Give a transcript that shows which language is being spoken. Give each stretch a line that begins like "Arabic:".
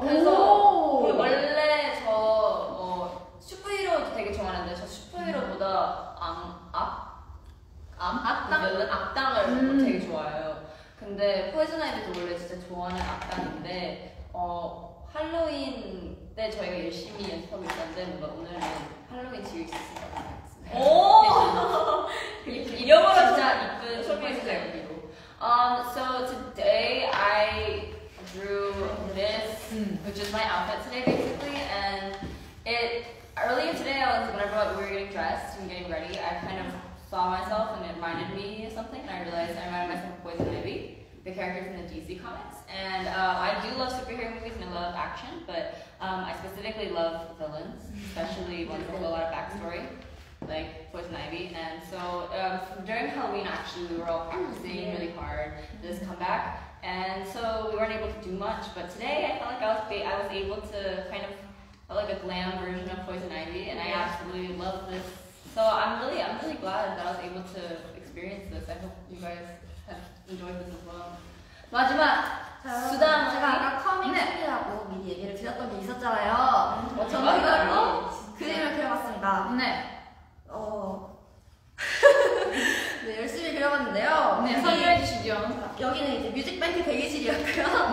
Korean: 그래서 그 원래 저 슈퍼히로 되게 좋아하는데 저 슈퍼히로보다 악당을 되게 좋아해요. 근데 포이즌 아이비도 원래 진짜 좋아하는 악당인데 할로윈 때 저희가 열심히 연습하고 있었는데 뭔가 오늘은 할로윈 즐길 수 있을 것 같아요. 오! 영어로 진짜 이쁜 소개해주세요.
English: So today I drew this, which is my outfit today basically, and it, earlier today I was, whenever we were getting dressed and getting ready, I kind of saw myself and it reminded me of something, and I realized I reminded myself of Poison Ivy, the character from the DC comics, and I do love superhero movies and I love action, but I specifically love villains, especially ones with a lot of backstory. Like Poison Ivy, and so during Halloween actually we were all practicing really hard this comeback, and so we weren't able to do much, but today I felt like I was able to kind of felt like a glam version of Poison Ivy, and I absolutely love this, so I'm really glad that I was able to experience this. I hope you guys have enjoyed this as well.
Korean: 마지막 수담 제가 아까 커밍 스피라고 네. 미리 얘기를 드렸던 게 있었잖아요. 저는 그걸로 그림을 그려봤습니다. 네. 네, 열심히 그려봤는데요. 네, 설명해 주시죠. 여기는 이제 뮤직뱅크 대기실이었고요.